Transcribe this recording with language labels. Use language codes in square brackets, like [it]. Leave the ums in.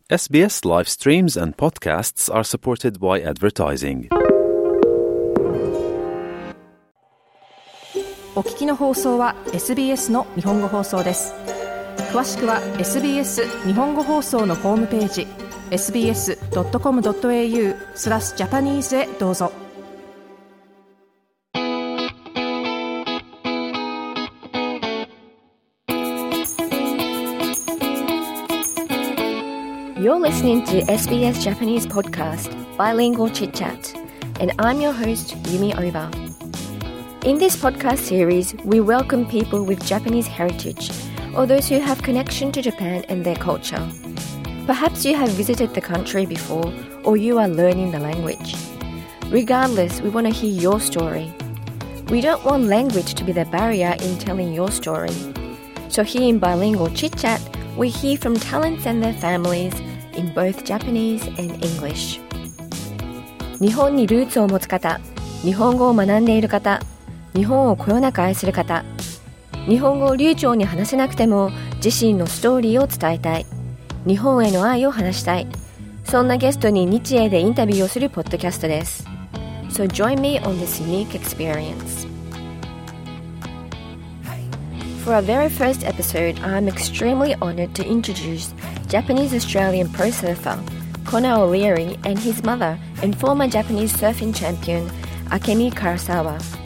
[en] SBS live streams and podcasts are supported by advertising. [ja] お聞きの放送は SBS の日本語放送です詳しくは SBS 日本語放送のホームページ sbs.com.au スラスジャパニーズへどうぞ [en] You're listening to SBS Japanese podcast, Bilingual Chit Chat, and I'm your host, Yumi Oba. In this podcast series, we welcome people with Japanese heritage or those who have connection to Japan and their culture. Perhaps you have visited the country before or you are learning the language. Regardless, we want to hear your story. We don't want language to be the barrier in telling your story. So here in Bilingual Chit Chat, we hear from talents and their families in both Japanese and English. [ja] 日本にルーツを持つ方、日本語を学んでいる方、日本をこよなく愛する方、日本語を流暢に話せなくても自身のストーリーを伝えたい、日本への愛を話したい、そんなゲストに日英でインタビューをするポッドキャストです。 [en] So join me on this unique experience. For our very first episode, I'm extremely honored to introduce Japanese Australian pro surfer Connor O'Leary and his mother and former Japanese surfing champion Akemi Karasawa.